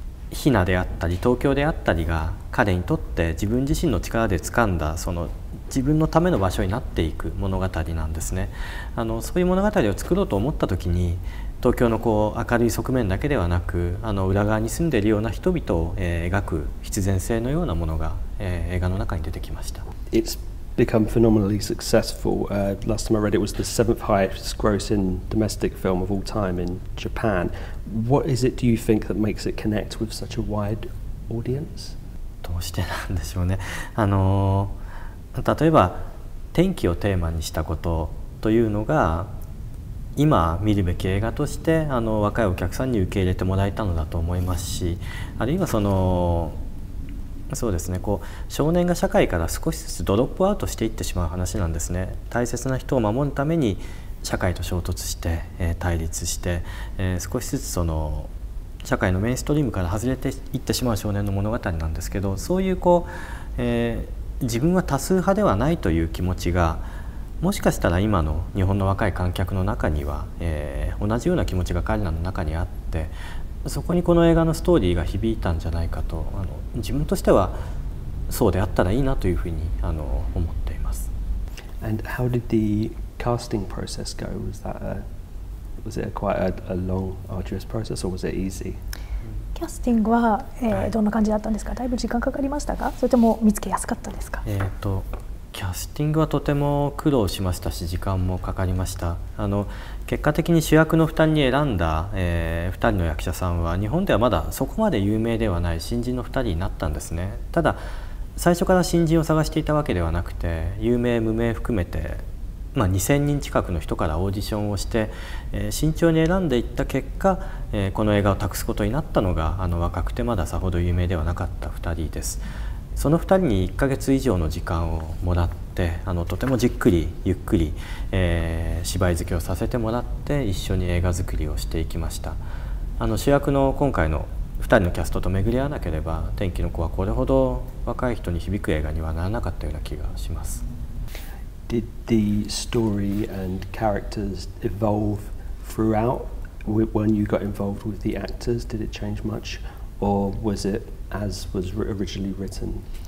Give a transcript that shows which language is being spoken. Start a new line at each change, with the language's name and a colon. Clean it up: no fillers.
Japanese: ひなであったり東京であったりが彼にとって自分自身の力で掴んだその自分のための場所になっていく物語なんですね。そういう物語を作ろうと思った時に、東京のこう明るい側面だけではなく、裏側に住んでいるような人々を描く必然性のようなものが、映画の中に出てきました。
English: It's become phenomenally successful. Last time I read it was the seventh highest grossing domestic film of all time in Japan. What is it, do you think, that makes it connect with such a wide audience?
Japanese: どうしてなんでしょうね。例えば天気をテーマにしたことというのが、今見るべき映画として若いお客さんに受け入れてもらえたのだと思いますし、あるいはそうですね、こう少年が社会から少しずつドロップアウトしていってしまう話なんですね。大切な人を守るために社会と衝突して、対立して、少しずつその社会のメインストリームから外れていってしまう少年の物語なんですけど、そういうこう、自分は多数派ではないという気持ちがもしかしたら今の日本の若い観客の中には、同じような気持ちが彼らの中にあって、そこにこの映画のストーリーが響いたんじゃないかと、自分としてはそうであったらいいなというふうに思っています。
English: And how did the casting process go? Was that a, was it a quite a long arduous process or was it easy?
Japanese: キャスティングは、どんな感じだったんですか、はい、だいぶ時間かかりましたか、それとも見つけやすかったですか。キャスティングはとても苦労しましたし時間もかかりました。結果的に主役の2人に選んだ、2人の役者さんは日本ではまだそこまで有名ではない新人の2人になったんですね。ただ最初から新人を探していたわけではなくて、有名無名含めて、まあ、2000人近くの人からオーディションをして、慎重に選んでいった結果、この映画を託すことになったのが若くてまださほど有名ではなかった2人です。その2人に1ヶ月以上の時間をもらって、とてもじっくりゆっくり、芝居付けをさせてもらって一緒に映画作りをしていきました。主役の今回の2人のキャストと巡り合わなければ天気の子はこれほど若い人に響く映画にはならなかったような気がします。
English: Did the story and characters evolve throughout when you got involved with the actors? Did it change much? Or was it as was originally written?